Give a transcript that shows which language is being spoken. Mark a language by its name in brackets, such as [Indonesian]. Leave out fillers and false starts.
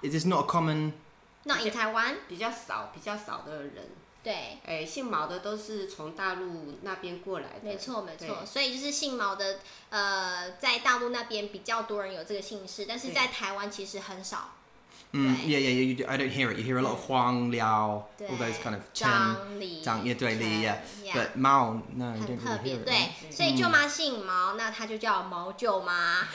[English] Is this not a common? Not in Taiwan. [Chinese] 比较少的人。对，姓毛的都是从大陆那边过来的，没错没错，所以就是姓毛的，在大陆那边比较多人有这个姓氏，但是在台湾其实很少。 [English] Yeah, I don't hear it. You hear a lot of Huang Liao, all those kind of Chen, [Chinese] 张李 [English] yeah, [Chinese] 对李 [English] yeah, but Mao, no, you don't really hear it. [Chinese] 对，所以舅妈姓毛，那他就叫毛舅妈。